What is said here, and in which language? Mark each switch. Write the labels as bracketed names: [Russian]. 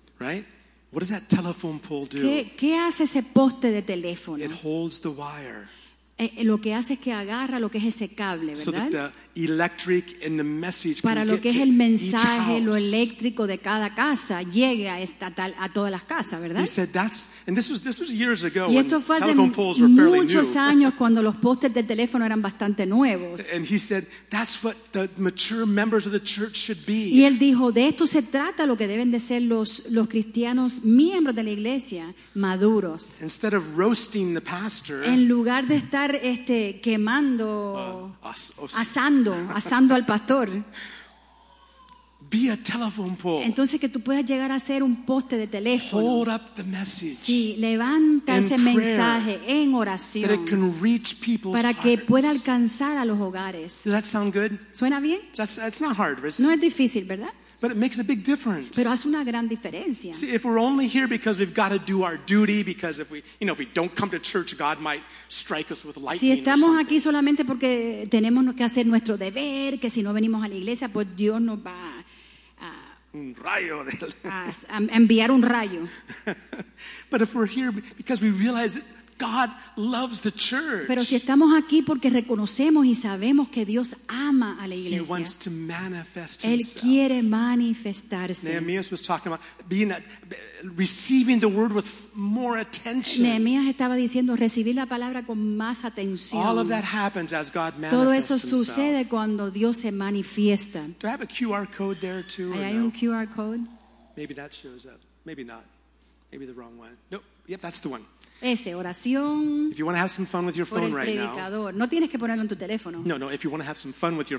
[English] Right? What does that telephone pole do? [Spanish] ¿Qué hace ese poste de teléfono? [English] It holds the wire. [Spanish] Lo que hace es que agarra lo que es ese cable, ¿verdad? [English] So that the electric and the message [Spanish] para lo que es el mensaje, lo eléctrico de cada casa llegue a todas las casas, ¿verdad? [English] He said that's, and this was years ago. [Spanish] Y esto fue hace muchos años cuando los postes de teléfono eran bastante nuevos. [English] And he said that's what the mature members of the church should be. [Spanish] Y él dijo de esto se trata lo que deben de ser los cristianos miembros de la iglesia maduros. [English] Instead of roasting the pastor. [Spanish] En lugar de estar quemando asando al pastor. [English] Be a telephone pole. [Spanish] Entonces que tú puedas llegar a ser un poste de teléfono. [English] Hold up the message. [Spanish] Sí, levanta ese [English] prayer, [Spanish] mensaje en oración. [English] That it can reach people's [Spanish] para que [English] hearts. [Spanish] Pueda alcanzar a los hogares. [English] Does that sound good? [Spanish] ¿Suena bien? [English] That's not hard, is it? [Spanish] No es difícil, ¿verdad? [English] But it makes a big difference. [Spanish] Pero hace una gran diferencia. [English] See, if we're only here because we've got to do our duty, because if we, you know, if we don't come to church, God might strike us with lightning. [Spanish] Si estamos aquí solamente porque tenemos que hacer nuestro deber, que si no venimos a la iglesia, pues Dios nos va un rayo de enviar un rayo. [English] But if we're here because we realize it, God loves the church. [Spanish] Pero si estamos aquí porque reconocemos y sabemos que Dios ama a la iglesia. [English] He wants to manifest himself. [Spanish] Él quiere manifestarse. [English] Nehemiah was talking about being receiving the word with more attention. [Spanish] Nehemiah estaba diciendo recibir la palabra con más atención. [English] All of that happens as God manifests. [Spanish] Todo eso sucede [English] himself. [Spanish] Cuando Dios se manifiesta. [English] Do I have a QR code there too? [Spanish] ¿Hay un QR code? [English] Maybe that shows up. Maybe not. Maybe the wrong one. Nope. Yep, that's the one. [Spanish] Ese, oración. [English] If you want to have some fun with your phone right now. [Spanish] No tienes que ponerlo en tu teléfono. [English] No, if you want to have some fun with your